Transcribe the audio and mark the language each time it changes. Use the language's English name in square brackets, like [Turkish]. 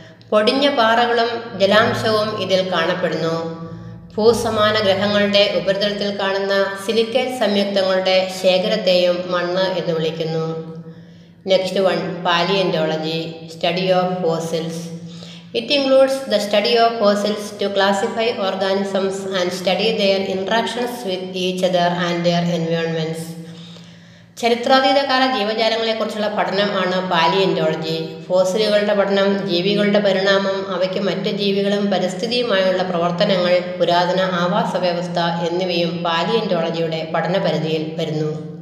[Malayalam] പൊടിഞ്ഞ പാറകളും ജലാംശവും ഇതിൽ കാണപ്പെടുന്നു. ഭൂസമാന ഗ്രഹങ്ങളുടെ ഉപരിതലത്തിൽ കാണുന്ന സിലിക്കേറ്റ് സംയുക്തങ്ങളുടെ ശേഖരത്തെയും മണ്ണ് എന്ന് വിളിക്കുന്നു. [English] Next one, palaeontology, study of fossils. It includes the study of fossils to classify organisms and study their interactions with each other and their environments. [Malayalam] ചരിത്രാതീതകാല ജീവജാലങ്ങളെക്കുറിച്ചുള്ള പഠനമാണ് പാലിയന്റോളജി. ഫോസിലുകളുടെ പഠനം, ജീവികളുടെ പരിണാമം, അവയ്ക്ക് മറ്റ് ജീവികളും പരിസ്ഥിതിയുമായുള്ള പ്രവർത്തനങ്ങൾ, പുരാതന ആവാസ വ്യവസ്ഥ എന്നിവയും പാലിയന്റോളജിയുടെ പഠന പരിധിയിൽ വരുന്നു.